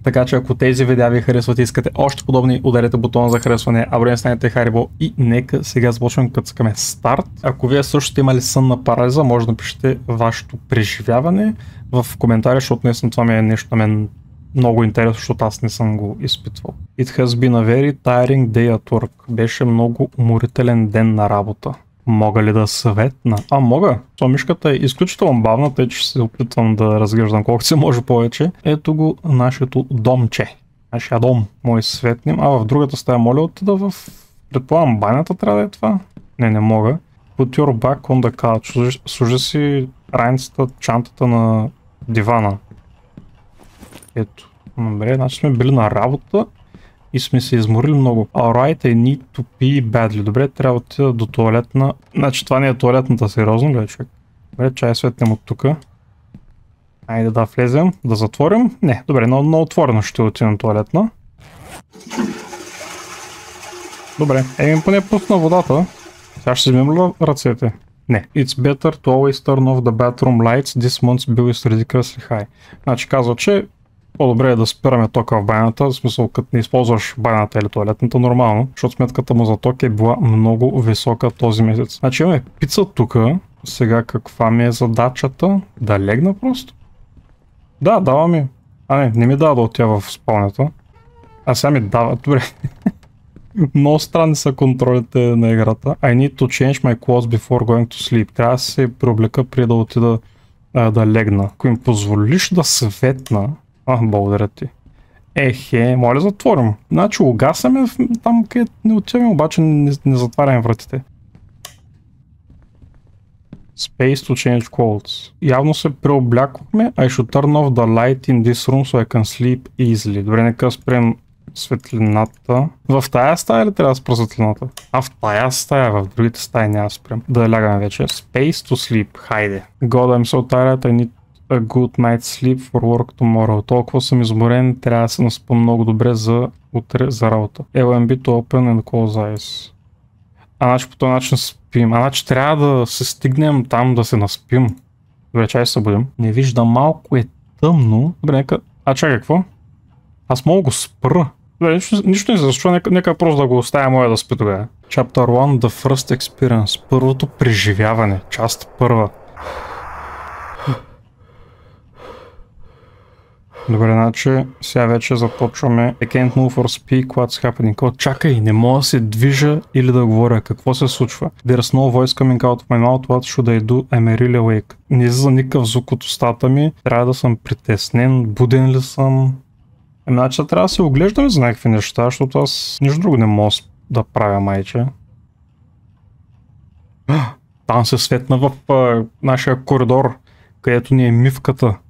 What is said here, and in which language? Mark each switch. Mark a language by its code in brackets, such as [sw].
[bg] Така че ако тези видеа ви харесват и искате още подобни, ударете бутона за харесване, абонирайте се, станете Харибо и нека сега започнем, кацкаме старт. Ако вие също сте имали сънна парализа, може да напишете вашето преживяване в коментари, защото наистина това ми е нещо на мен много интересно, защото аз не съм го изпитвал. [en] It has been a very tiring day at work. [bg] Беше много уморителен ден на работа. Мога ли да съветна? А, мога. Това мишката е изключително бавна, тъй че се опитвам да разглеждам колкото се може повече. Ето го нашето домче. Нашия дом. Мой светним. А в другата стая моля отида в... Предполагам, банята трябва да е това. Не, не мога. [en] Put your back on the couch. [bg] Сложи си раницата, чантата на дивана. Ето. Добре, значи сме били на работа и сме се изморили много. [en] Alright, I need to pee badly. [bg] Добре, трябва да отида до туалетна. Значи това не е туалетната, сериозно ли, човек? Добре, чай светнем от тука. Айде да влезем, да затворим. Не, добре, но на отворено ще отида на туалетна. Добре, еми поне пусна водата. Сега ще си измием ли ръцете? Не. [en] It's better to always turn off the bathroom lights. This month's bill is ridiculously high. [bg] Значи казва, че по-добре е да спираме тока в банята. В смисъл, като не използваш банята или туалетната нормално. Защото сметката му за ток е била много висока този месец. Значи имаме пица тука. Сега каква ми е задачата? Да легна просто? Да, дава ми. А не, не ми дава да отя в спалнята. А сега ми дава. Добре. Много странни са контролите на играта. [en] I need to change my clothes before going to sleep. [bg] Трябва да се преоблека преди да отида да легна. Ако им позволиш да светна... А, благодаря ти. Ехе, моля затворим. Значи угасаме там където не отиваме, обаче не затваряме вратите. [en] Space to change clothes. [bg] Явно се преоблякохме. [en] I should turn off the light in this room so I can sleep easily. [bg] Добре, нека спрем... Светлината. В тая стая ли трябва да спра светлината? А в тая стая, в другите стаи няма спрям. Да лягаме вече. [en] Space to sleep. [bg] Хайде. [en] God, I'm so tired. I need a good night's sleep for work tomorrow. [bg] Толкова съм изморен. Трябва да се наспа много добре за утре за работа. [en] LMB to open and close eyes. [bg] А значи по този начин спим. А значи трябва да се стигнем там да се наспим. Добре, чай се будим. Не виждам, малко е тъмно. Добре, нека... А чакай, какво? Аз мога го спра. Добре, нищо не се защо, нека просто да го оставя моя да спи тогава. [en] Chapter 1, The First Experience. [bg] Първото преживяване. Част първа. Добре, значи сега вече започваме. [en] I can't move or speak, what's happening? [bg] Чакай, не мога да се движа или да говоря. Какво се случва? [en] There's no voice coming out of my mouth, what should I do? I'm really awake. [bg] Не излиза никакъв звук от устата ми. Трябва да съм притеснен, буден ли съм? Еми, значи трябва да се оглеждаме за някакви неща, защото аз нищо друго не мога да правя, майче. Там се светна в нашия коридор, където ни е мивката.